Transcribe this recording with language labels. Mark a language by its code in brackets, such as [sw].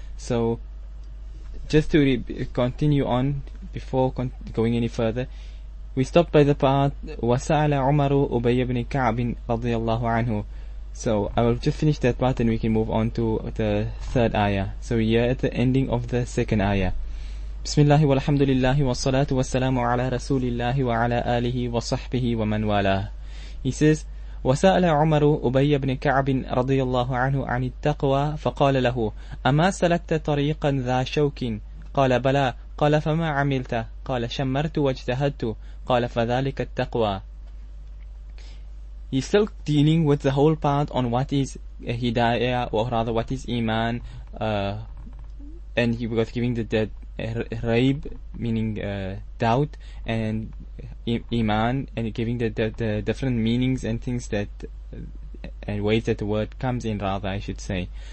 [en] So just to continue on before going any further, we stopped by the part [ar] وَسَأَلَ عُمَرُ أُبَيَّ بْنِ كَعْبٍ رَضِيَ اللَّهُ عَنْهُ. [en] So I will just finish that part and we can move on to the third ayah. So we are at the ending of the second ayah. [ar] بسم الله والحمد لله والصلاة والسلام على رسول الله وعلى آله وصحبه ومن والاه. [en] He says [ar] وسأل عمر أبي بن كعب رضي الله عنه عن التقوى فقال له أما سلكت طريقا ذا شوك؟ قال بلى. قال فما عملت؟ قال شمرت واجتهدت. قال فذلك التقوى. [en] He's still dealing with the whole part on what is hidayah, or rather what is iman, and he was giving the raib, meaning doubt, and iman, and giving the different meanings and things that and ways that the word comes in, rather I should say.